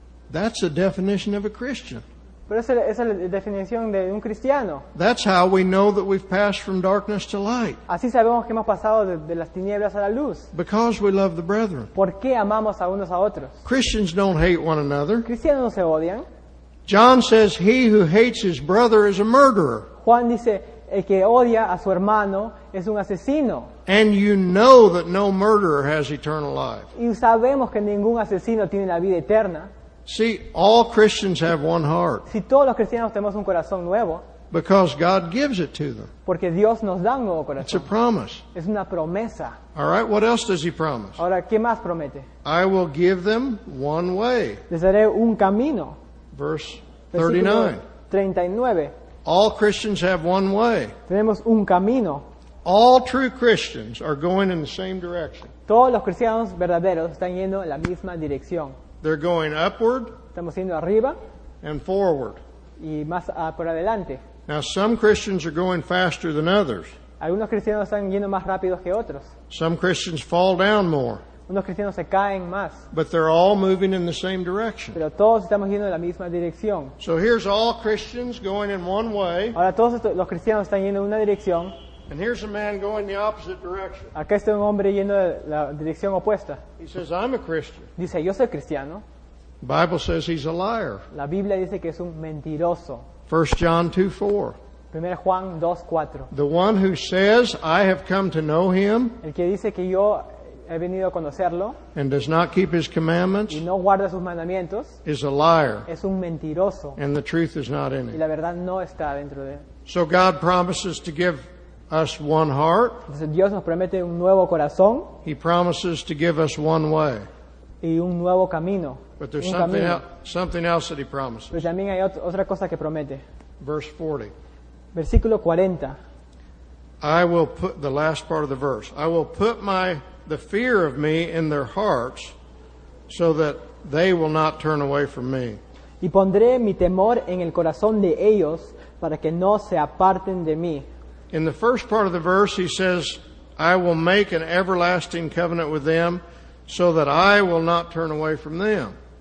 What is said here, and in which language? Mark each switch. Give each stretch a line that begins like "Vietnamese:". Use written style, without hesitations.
English: That's the definition of a Christian.
Spanish: Pero esa es la definición de un cristiano.
English: That's how we know that we've passed from darkness to light.
Spanish: Así sabemos que hemos pasado de las tinieblas a la luz.
English: Because we love the brethren.
Spanish: Porque amamos a unos a otros.
English: Christians don't hate one another.
Spanish: Cristianos no se odian.
English: John says he who hates his brother is a murderer.
Spanish: Juan dice el que odia a su hermano es un asesino.
English: And you know that no murderer has eternal life.
Spanish: Y sabemos que ningún asesino tiene la vida eterna.
English: See, all Christians have one heart.
Spanish: Si todos los cristianos tenemos un corazón nuevo.
English: Because God gives it to them.
Spanish: Porque Dios nos da un nuevo corazón.
English: It's a promise.
Spanish: Es una promesa.
English: All right, what else does he promise?
Spanish: Ahora, ¿qué más promete?
English: I will give them one way.
Spanish: Les daré un camino.
English: Verse 39. All Christians have one way.
Spanish: Tenemos un camino.
English: All true Christians are going in the same direction.
Spanish: Todos los cristianos verdaderos están yendo en la misma dirección.
English: They're going upward.
Spanish: Estamos yendo arriba.
English: And forward.
Spanish: Y más por adelante.
English: Now some Christians are going faster than others.
Spanish: Algunos cristianos están yendo más rápido que otros.
English: Some Christians fall down more.
Spanish: Unos cristianos se caen más.
English: But they're all moving in the same direction.
Spanish: Pero todos estamos yendo en la misma dirección.
English: So here's all Christians going in one way.
Spanish: Ahora todos estos, los cristianos están yendo en una dirección.
English: And here's a man going the opposite direction.
Spanish: Acá está un hombre yendo en la dirección opuesta.
English: He says, I'm a Christian.
Spanish: Dice, yo soy cristiano.
English: The Bible says he's a liar.
Spanish: La Biblia dice que es un mentiroso.
English: 1 John 2:4.
Spanish: 1 Juan 2:4.
English: The one who says, I have come to know him.
Spanish: El que dice que yo he venido a conocerlo.
English: And does not keep his commandments.
Spanish: Y no guarda sus mandamientos.
English: Is a liar.
Spanish: Es un mentiroso.
English: And the truth is not in him.
Spanish: Y la verdad no está dentro de él.
English: So God promises to give us one heart.
Spanish: Entonces Dios nos promete un nuevo corazón.
English: He promises to give us one way.
Spanish: Y un nuevo camino.
English: But there's something else that he promises.
Spanish: Pero también hay otra cosa que promete.
English: Verse 40.
Spanish: Versículo 40.
English: I will put the last part of the verse. I will put the fear of me in their hearts so that they will not turn away from me.
Spanish: Y pondré mi temor en el corazón de ellos para que no se aparten de mí.
English: In the first part of the verse he says, I will make an everlasting covenant with them so that I will not turn away from them.